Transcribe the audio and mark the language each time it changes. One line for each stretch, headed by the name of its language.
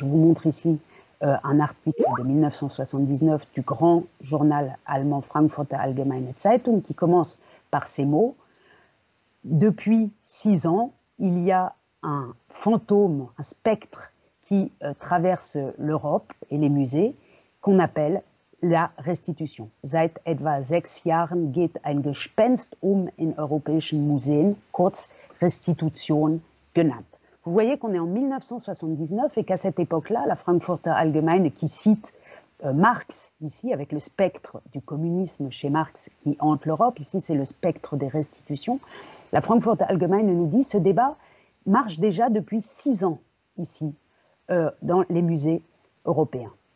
French: Je vous montre ici un article de 1979 du grand journal allemand Frankfurter Allgemeine Zeitung qui commence par ces mots. Depuis 6 ans, il y a un fantôme, un spectre qui traverse l'Europe et les musées qu'on appelle la restitution.
German: Seit etwa 6 Jahren geht ein Gespenst in europäischen Museen, kurz Restitution.
French: Vous voyez qu'on est en 1979 et qu'à cette époque-là, la Frankfurter Allgemeine, qui cite Marx ici, avec le spectre du communisme chez Marx qui hante l'Europe, ici c'est le spectre des restitutions, la Frankfurter Allgemeine nous dit que ce débat marche déjà depuis 6 ans ici, dans les musées européens.